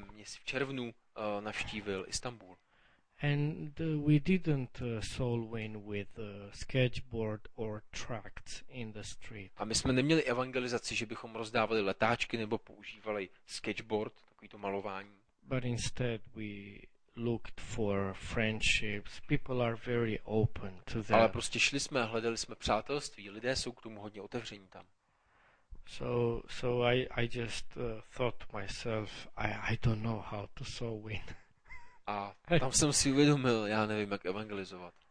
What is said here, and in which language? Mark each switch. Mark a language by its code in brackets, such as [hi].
[cs] měsíci v červnu navštívil Istanbul. [en] And we didn't soul win with a sketchboard or tracts in the street. [cs] A my jsme neměli evangelizaci, že bychom rozdávali letáčky nebo používali sketchboard, takový to malování. [en] But instead we looked for friendships. People are very open to that. [cs] Ale prostě šli jsme, hledali jsme přátelství. Lidé jsou k tomu hodně otevření tam. [en] So I just thought myself, I don't know how to soul win. [cs] A tam jsem si uvědomil, já nevím, jak evangelizovat.